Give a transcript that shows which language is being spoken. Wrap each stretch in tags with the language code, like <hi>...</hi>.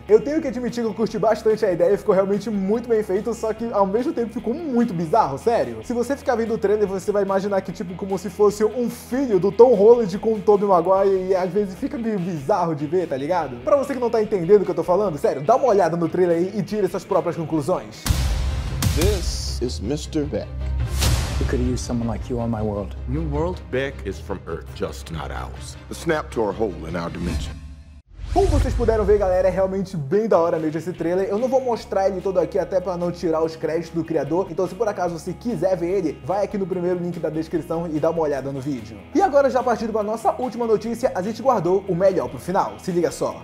<pt>Eu tenho que admitir que eu curti bastante a ideia, ficou realmente muito bem feito, só que ao mesmo tempo ficou muito bizarro, sério. Se você ficar vendo o trailer, você vai imaginar que tipo, como se fosse um filho do Tom Holland com o Tobey Maguire e às vezes fica meio bizarro de ver, tá ligado? Pra você que não tá entendendo o que eu tô falando, sério, dá uma olhada no trailer aí e tira suas próprias conclusões.</pt> <en>This is Mr. Beck. We could use someone like you on my world. New world? Beck is from Earth, just not ours. The snap to our hole in our dimension.</en> <pt>Como vocês puderam ver, galera, é realmente bem da hora mesmo esse trailer. Eu não vou mostrar ele todo aqui até pra não tirar os créditos do criador. Então, se por acaso você quiser ver ele, vai aqui no primeiro link da descrição e dá uma olhada no vídeo. E agora, já partindo pra nossa última notícia, a gente guardou o melhor pro final. Se liga só.</pt>